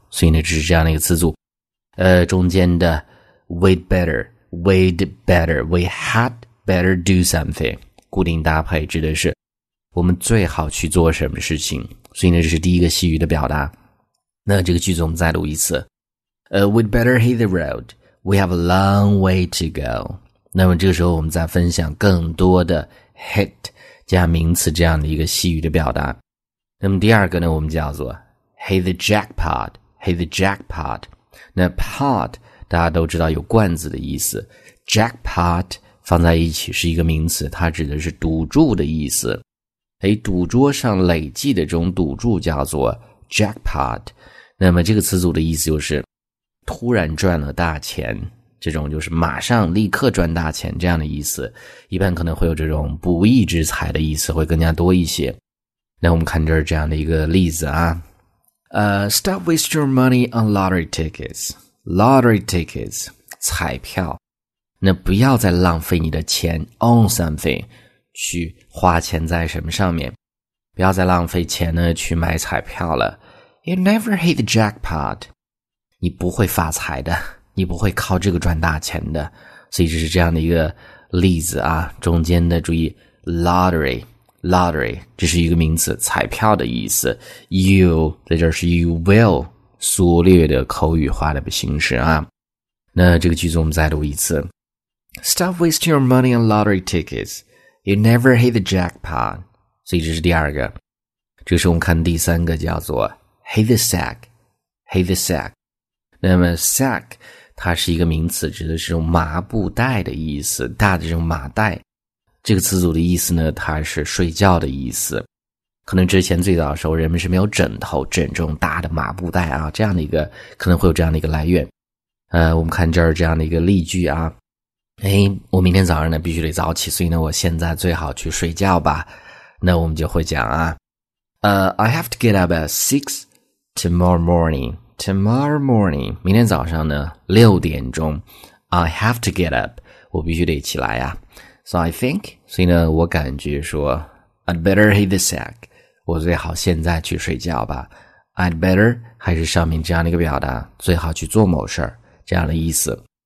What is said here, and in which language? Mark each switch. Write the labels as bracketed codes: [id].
[zh] 所以呢，只是这样的一个词组，中间的 [en] we had better do something [zh] 固定搭配，指的是我们最好去做什么事情。所以呢，这是第一个习语的表达。那这个句子我们再读一次， [en] we'd better hit the road. We have a long way to go. [zh] 那么这个时候我们再分享更多的 hit 加名词这样的一个习语的表达。那么第二个呢，我们叫做 [en] hit the jackpot, hit the jackpot。 [zh] 那 pot 大家都知道有罐子的意思， jackpot 放在一起是一个名词，它指的是赌注的意思。赌桌上累计的这种赌注叫做 jackpot。那么这个词组的意思就是突然赚了大钱，这种就是马上立刻赚大钱这样的意思，一般可能会有这种不义之财的意思会更加多一些。那我们看这儿这样的一个例子啊。 [en] Stop wasting your money on lottery tickets. Lottery tickets, [zh] 彩票。那不要再浪费你的钱 [en] on something, [zh] 去花钱在什么上面。不要再浪费钱呢去买彩票了。 [en] You never hit the jackpot. [zh] 你不会发财的。你不会靠这个赚大钱的。所以这是这样的一个例子啊，中间的注意 lottery 这是一个名词，彩票的意思。 you 在这是 you will 缩略的口语化的形式啊。那这个句子我们再读一次， [en] Stop wasting your money on lottery tickets. You never hit the jackpot. [zh] 所以这是第二个。这是我们看第三个，叫做 [en] hit the sack, hit the sack。 [zh] 那么 sack 它是一个名词，指的是麻布袋的意思，大的这种麻袋。这个词组的意思呢，它是睡觉的意思。可能之前最早的时候人们是没有枕头，枕这种大的麻布袋啊，这样的一个可能会有这样的一个来源。我们看这儿这样的一个例句啊。我明天早上呢必须得早起，所以呢我现在最好去睡觉吧。那我们就会讲啊。 [en] I have to get up at 6 tomorrow morning. Tomorrow morning, [zh] 明天早上呢六点钟 [en] I have to get up, [zh] 我必须得起来啊。 [en] So I think, [zh] 所以呢我感觉说 [en] I'd better hit the sack, [zh] 我最好现在去睡觉吧。 [en] I'd better, [zh] 还是上面这样的一个表达，最好去做某事这样的意思。